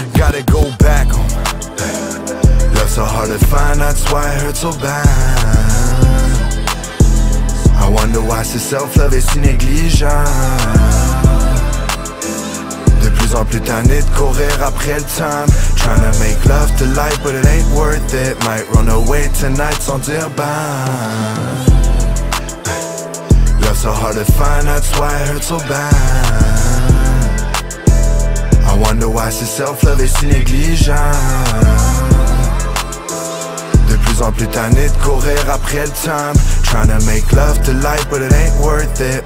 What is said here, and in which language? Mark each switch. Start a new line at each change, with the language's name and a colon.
English: Gotta go back home. So hard to find, that's why it hurts so bad. I wonder why
French: c'est self-love et si négligeable. De plus en plus tanné de courir après le time.
English: Tryna make love to life, but it ain't worth it. Might run away tonight
French: sans dire bye.
English: Love so hard to find, that's why it hurts so bad. I wonder why
French: c'est self-love et si négligeable. En plus tanné de courir après le time.
English: Tryna make love to life, but it ain't worth it.